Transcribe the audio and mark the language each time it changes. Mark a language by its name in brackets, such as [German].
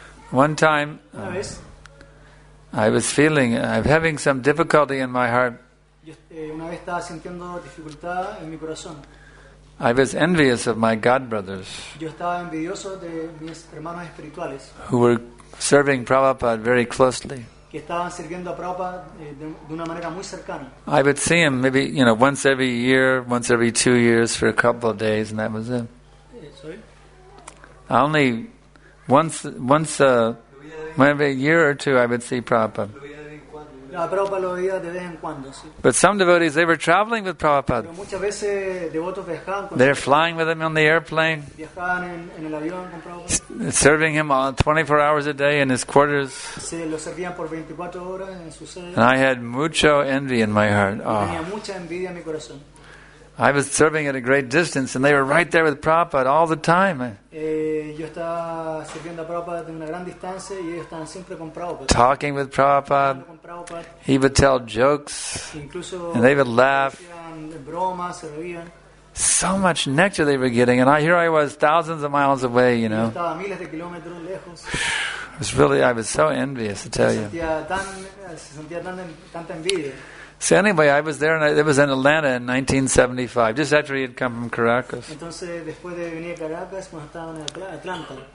[English] One time, I was feeling, I was having some difficulty in my heart. [Spanish] Una vez estaba sintiendo dificultad en mi corazón. [English] I was envious of my god brothers. [Spanish] Yo estaba envidioso de mis hermanos espirituales. [English] Who were serving Prabhupada very closely. [Spanish] Que estaban sirviendo a Prabhupada de una manera muy cercana. [English] I would see him maybe, you know, once every year, once every 2 years for a couple of days, and that was it. Sorry? Only once a year or two I would see Prabhupada. [Spanish] No, Prabhupada lo veía de vez en cuando, sí. [English] But some devotees, they were traveling with Prabhupada. [Spanish] Pero muchas veces devotos viajaban con [English] They're flying with him on the airplane, [Spanish] viajaban en el avión con Prabhupada. [English] Serving him 24 hours a day in his quarters. [Spanish] Se lo servían por 24 horas en su sede. [English] And I had [Spanish] mucho [English] envy in my heart. [Spanish] Tenía mucha envidia en mi corazón. [English] I was serving at a great distance and they were right there with Prabhupada all the time. [Spanish] Yo estaba sirviendo a Prabhupada de una gran distancia y ellos estaban siempre con Prabhupada. [English] Talking with Prabhupada. [Spanish] Con Prabhupada. [English] He would tell jokes. [Spanish] Incluso [English] and they would laugh. [Spanish] Bromas, se reían. [English] So much nectar they were getting, and here I was thousands of miles away, you know. [Spanish] Yo estaba miles de kilómetros lejos. [English] It was really, I was so envious, I tell you. [Spanish] Se sentía tanta envidia. [English] So anyway, I was there, and it was in Atlanta in 1975, just after he had come from Caracas. [Spanish] Entonces, después de venir a Caracas, pues estaba en Atlanta.